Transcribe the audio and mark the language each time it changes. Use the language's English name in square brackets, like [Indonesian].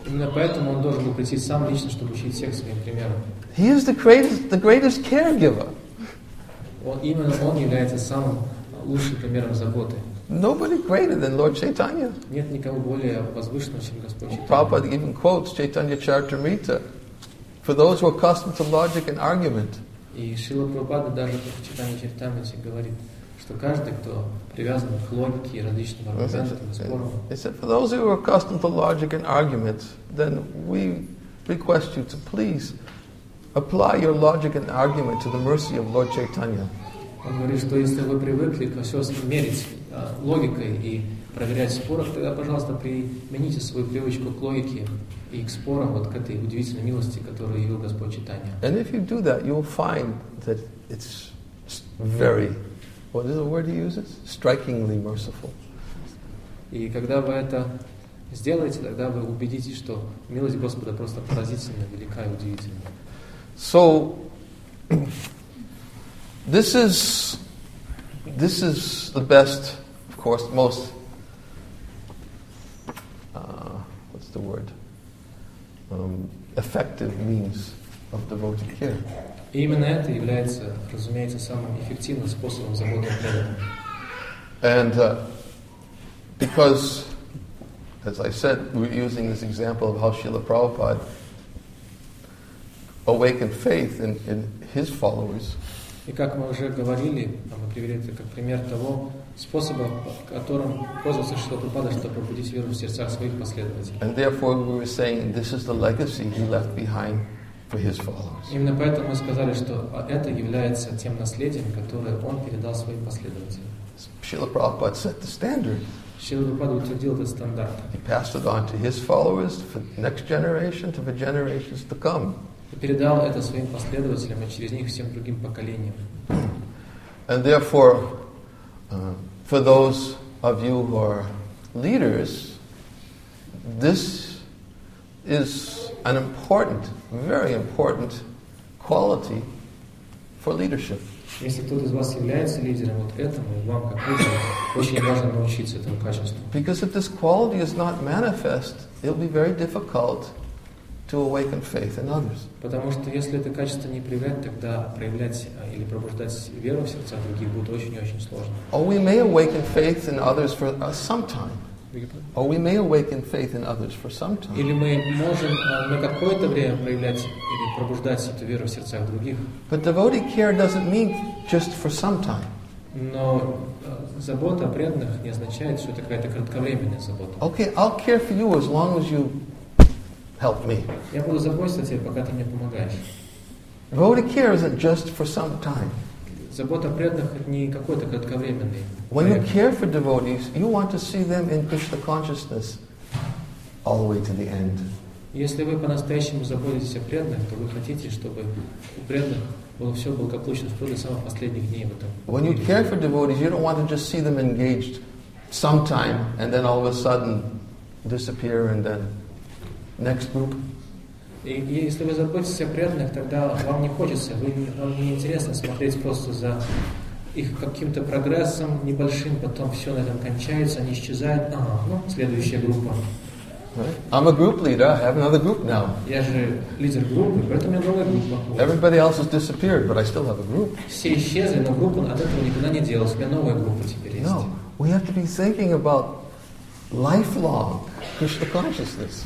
[Russian] Именно поэтому он должен был прийти сам лично, чтобы учить всех своим примером. [English] He is the greatest caregiver. [Russian] Он именно он является самым лучшим примером заботы. [English] Nobody greater than Lord Chaitanya. [Russian] Нет никого более возвышенного, чем Господь Чайтанья. [English] Prabhupada even quotes Chaitanya Charitamrita for those who are accustomed to logic and argument. [Russian] И Шрила Прабхупада даже в Чайтанья Чаритамрите говорит, что каждый, кто привязан к логике и различным аргументам и спорам. [English] He said, for those who are accustomed to logic and argument, then we request you to please apply your logic and argument to the mercy of Lord Chaitanya. [Russian] Он говорит, что если вы привыкли ко всему мерить логикой и проверять споры, тогда, пожалуйста, примените свою привычку к логике и к спорам вот к этой удивительной милости, которую явил Господь Читания. [English] And if you do that, you'll find that it's very, what is the word he uses? Strikingly merciful. [Russian] И когда вы это сделаете, тогда вы убедитесь, что милость Господа просто поразительна, велика и удивительна. [English] So, this is the best, of course, most, what's the word? Effective means of devotee care. [Russian] И именно это является, разумеется, самым эффективным способом заботы о преданном. [English] And because, as I said, we're using this example of how Srila Prabhupada awakened faith in his followers. [Russian] И как мы уже говорили, мы привели это как пример того способа, которым пользовался Шрила Прабхупада, чтобы пробудить веру в сердцах своих последователей. [English] And therefore we were saying this is the legacy he left behind for his followers. [Russian] Именно поэтому мы сказали, что это является тем наследием, которое он передал своим последователям. [English] Шрила Прабхупада set the standard. [Russian] Шрила Прабхупада утвердил этот стандарт. [English] He passed it on to his followers, for the next generation, to the generations to come. [Russian] Передал это своим последователям и через них всем другим поколениям. [English] And therefore, for those of you who are leaders, this is an important, very important quality for leadership. [Russian] Если кто-то из вас является лидером, вот этому вам как лидеру очень важно научиться этому качеству. [English] Because if this quality is not manifest, it will be very difficult to awaken faith in others. [Russian] Потому что если это качество не проявлять, тогда проявлять или пробуждать веру в сердца других будет очень и очень сложно. [English] Or we may awaken faith in others for some time. Or we may awaken faith in others for some time. [Russian] Или мы можем на какое-то время проявлять или пробуждать эту веру в сердцах других. [English] But devotee care doesn't mean just for some time. [Russian] Но забота о преданных не означает, что это какая-то кратковременная забота. [English] Okay, I'll care for you as long as you help me. [Russian] Я буду заботиться о тебе, пока ты мне помогаешь. [English] Devotee care isn't just for some time. [Russian] Забота о преданных не какой-то кратковременный. [English] When you care for devotees, you want to see them in Krishna consciousness all the way to the end. [Russian] Если вы по-настоящему заботитесь о преданных, то вы хотите, чтобы у преданных было все благополучно вплоть до самых последних дней в этом. [English] When you care for devotees, you don't want to just see them engaged sometime and then all of a sudden disappear and then next group. [Russian] И если вы заботитесь о преданных, тогда вам не хочется, вам не интересно смотреть просто за их каким-то прогрессом небольшим, потом все на этом кончается, они исчезают. Ага, ну, следующая группа. [English] Right. I'm a group leader, I have another group now. [Russian] Я же лидер группы, поэтому у меня новая группа. [English] Everybody else has disappeared, but I still have a group. [Russian] Все исчезли, но группа от этого никуда не делась. У меня новая группа теперь есть. [English] No, we have to be thinking about lifelong Krishna consciousness.